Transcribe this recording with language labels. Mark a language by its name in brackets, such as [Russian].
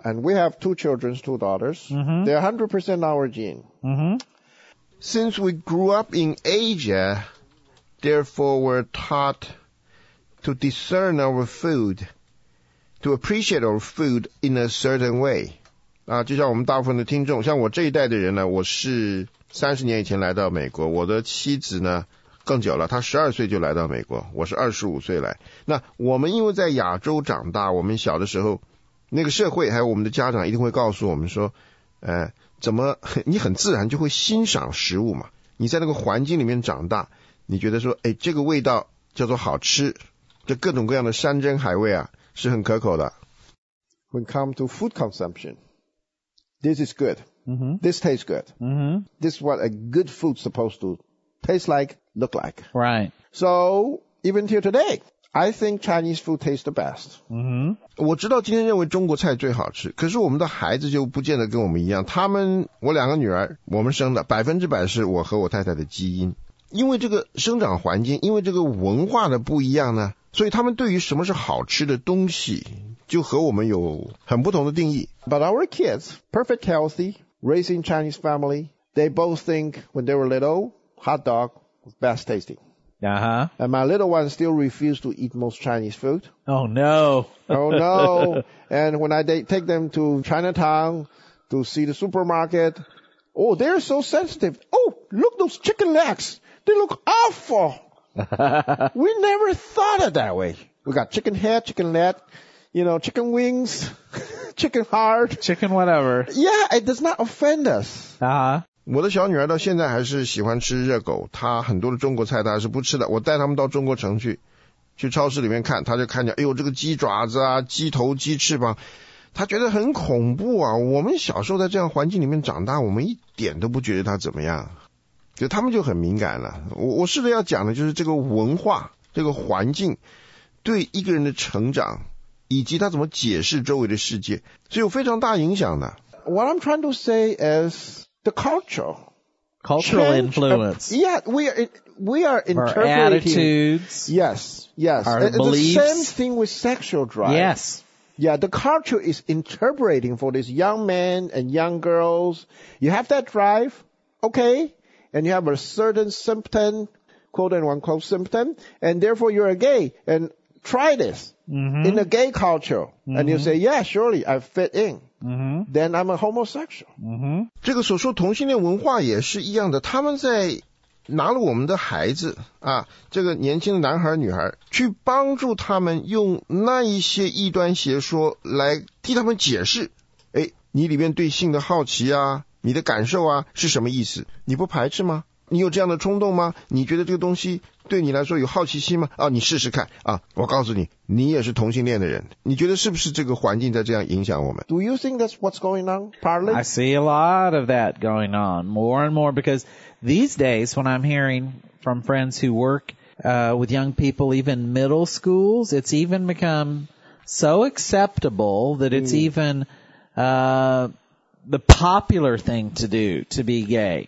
[English] And we have two children, two daughters. Uh-huh. They're 100% our gene. Uh-huh. Since we grew up in Asia, therefore we're taught to discern our food, to appreciate our food in a certain way. [Chinese] 啊，就像我们大部分的听众，像我这一代的人呢，我是三十年以前来到美国，我的妻子呢更久了，她十二岁就来到美国，我是二十五岁来。那我们因为在亚洲长大，我们小的时候，那个社会还有我们的家长一定会告诉我们说，怎么你很自然就会欣赏食物嘛？你在那个环境里面长大，你觉得说，哎，这个味道叫做好吃，这各种各样的山珍海味啊是很可口的。 [English] When come to food consumption, this is good. Mm-hmm. This tastes good. Mm-hmm. This is what a good food supposed to taste like, look like. Right. So, even till today, I think Chinese food tastes the best. Mm-hmm. [Chinese] 我知道今天认为中国菜最好吃，可是我们的孩子就不见得跟我们一样。他们，我两个女儿，我们生的百分之百是我和我太太的基因。因为这个生长环境，因为这个文化的不一样呢，所以他们对于什么是好吃的东西，就和我们有很不同的定义。 [English] But our kids, perfect healthy,Raising Chinese family, they both think when they were little, hot dog was best tasting. Uh-huh. And my little one still refused to eat most Chinese food. Oh, no. Oh, no. And when I take them to Chinatown to see the supermarket, oh, they're so sensitive. Oh, look those chicken legs. They look awful. We never thought of that way. We got chicken head, chicken leg, you know, chicken wings. Chicken heart. Chicken whatever. Yeah, it does not offend us. Uh-huh. [Chinese] 我的小女儿到现在还是喜欢吃热狗，她很多的中国菜她还是不吃的。我带她们到中国城去，去超市里面看，她就看见，哎呦，这个鸡爪子啊，鸡头、鸡翅膀，她觉得很恐怖啊。我们小时候在这样环境里面长大，我们一点都不觉得它怎么样。就他们就很敏感了。我试着要讲的就是这个文化，这个环境，对一个人的成长以及他怎么解释周围的世界，是有非常大影响的。 [English] What I'm trying to say is the culture. Cultural influence. Yeah, we are interpreting. Our attitudes. Yes, yes. Our beliefs. The same thing with sexual drive. Yes. Yeah, the culture is interpreting for these young men and young girls. You have that drive, okay, and you have a certain symptom, quote unquote symptom, and therefore you're a gay, and try this. Mm-hmm. In the gay culture, mm-hmm. and you say, yeah, surely I fit in,、 mm-hmm. then I'm a homosexual.、 Mm-hmm. [Chinese] 这个所说同性恋文化也是一样的，他们在拿了我们的孩子啊，这个年轻的男孩女孩，去帮助他们用那一些异端邪说来替他们解释，哎，你里面对性的好奇啊，你的感受啊，是什么意思？你不排斥吗？你有这样的冲动吗？你觉得这个东西对你来说有好奇心吗？啊，你试试看啊！我告诉你，你也是同性恋的人，你觉得是不是这个环境在这样影响我们 [English] ？Do you think that's what's going on? Partly, I see a lot of that going on more and more because these days, when I'm hearing from friends who work with young people, even middle schools, it's even become so acceptable that it's even the popular thing to do, to be gay.